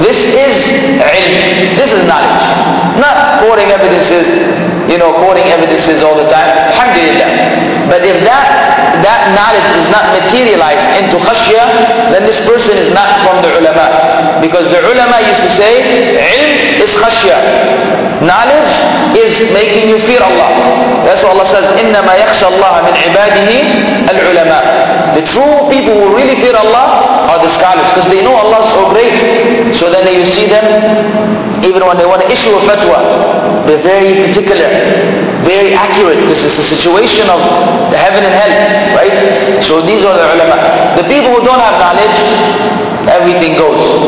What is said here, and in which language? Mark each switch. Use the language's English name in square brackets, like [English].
[English] This is ilm. This is knowledge. Not quoting evidences, you know, quoting evidences all the time. Alhamdulillah. But if that knowledge is not materialized into khashya, then this person is not from the ulama. Because the ulama used to say, ilm is khashya. Knowledge is making you fear Allah. That's why Allah says, [Arabic] إِنَّمَا يَخْشَى اللَّهَ مِنْ عِبَادِهِ الْعُلَمَاءِ. [English] The true people who really fear Allah are the scholars, because they know Allah is so great. So then you see them, even when they want to issue a fatwa, they're very particular, very accurate. This is the situation of the heaven and hell, right? So these are the ulama. The people who don't have knowledge, everything goes.